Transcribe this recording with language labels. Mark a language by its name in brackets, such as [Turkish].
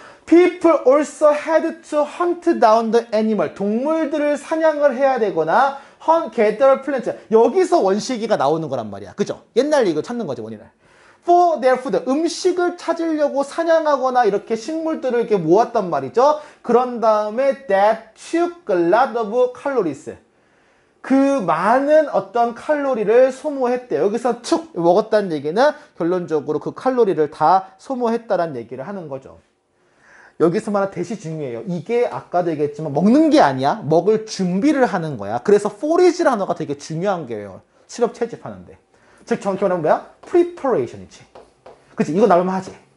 [English] People also had to hunt down the animal. [Korean] 동물들을 사냥을 해야 되거나 [English] 헌 게더 플랜트. [Korean] 여기서 원시기가 나오는 거란 말이야. 그죠? 옛날 이거 찾는 거지, 원인을. [English] For their food. [Korean] 음식을 찾으려고 사냥하거나 이렇게 식물들을 이렇게 모았단 말이죠. 그런 다음에 [English] that took a lot of calories. [Korean] 그 많은 어떤 칼로리를 소모했대요. 여기서 툭 먹었다는 얘기는 결론적으로 그 칼로리를 다 소모했다라는 얘기를 하는 거죠. 여기서 말한 대시 중요해요. 이게 아까도 얘기했지만 먹는 게 아니야. 먹을 준비를 하는 거야. 그래서 forage 단어가 되게 중요한 게요. 수렵 채집하는데. 즉 정확히 말하면 뭐야? preparation이지. 그치? 이거 나올 만하지.